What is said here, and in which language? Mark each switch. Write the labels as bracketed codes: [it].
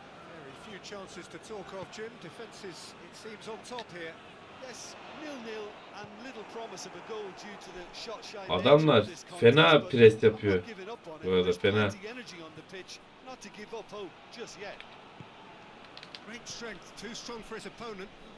[en] Very few chances to talk of, Jim. Defenses, it seems, on top here. Yes, nil-nil and little promise of a goal due to the shot shy. [tr] Adamlar fena pres yapıyor. Bu arada fena. [en] Not to give up hope just yet. Great strength, too strong for his opponent.